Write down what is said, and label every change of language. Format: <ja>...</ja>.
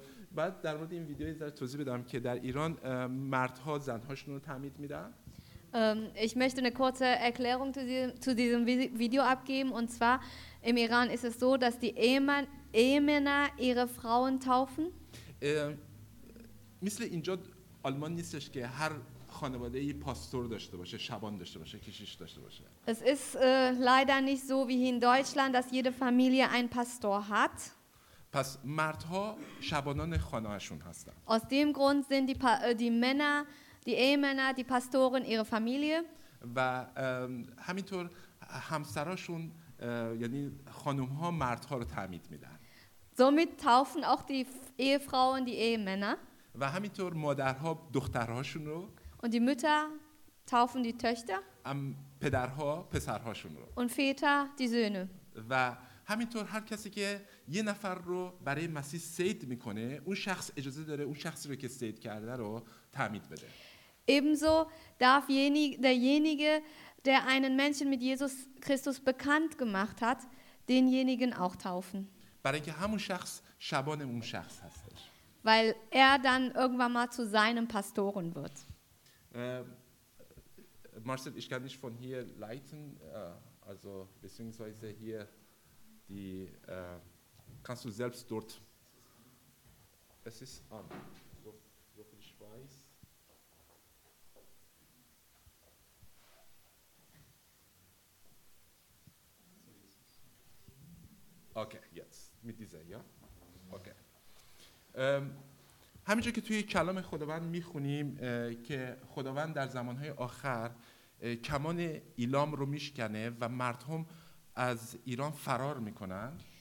<fa>بعد در مورد این ویدیو یه ذره توضیح بدم که در ایران مردها زنهاشون رو تعمید میدن.</fa> <de>Ich möchte eine kurze Erklärung zu diesem Video abgeben. Und zwar, im Iran ist es so, dass die Ehemänner ihre Frauen taufen.</de> <fa>مثل اینجا آلمان نیستش که هر خانواده ای پاستور داشته باشه، شبان داشته باشه، کشیش داشته باشه.</fa> <de>Es ist leider nicht so wie in Deutschland, dass jede Familie einen Pastor hat.</de> <fa>پس مردها شبانان خانه‌شون هستن.</fa> <de>Aus dem Grund sind die Männer die Ehemänner, die Pastoren, ihre Familie.</de> <fa>و همینطور همسراشون یعنی خانم‌ها مردها رو تعمید میدن.</fa> <de>Somit taufen auch die Ehefrauen die Ehemänner.</de> <fa>و همینطور مادرها دخترهاشون رو.</fa> <de>Und die Mütter taufen die Töchter.</de> <fa>پدرها پسرهاشون رو.</fa> <de>Und Väter die Söhne.</de> <fa>و همینطور هر کسی که یه نفر رو برای مسیح سید میکنه، اون شخص اجازه داره اون شخصی رو که سید کرده رو تعمید بده.</fa> <de>Ebenso darf derjenige, der einen Menschen mit Jesus Christus bekannt gemacht hat, denjenigen auch taufen.</de> <fa>برای که همون شخص شبان اون شخص هستش.</fa> <de>weil er dann irgendwann mal zu seinem Pastoren wird. Marcel, ich kann nicht von hier leiten, also beziehungsweise hier die, kannst du selbst dort, es ist an, so viel ich weiß. Okay, jetzt, mit dieser, ja? Okay.</de> <fa>همینجا که توی کلام خداوند میخونیم که خداوند در زمانهای آخر کمان ایلام رو میشکنه و مردم از ایران فرار میکنن.</fa>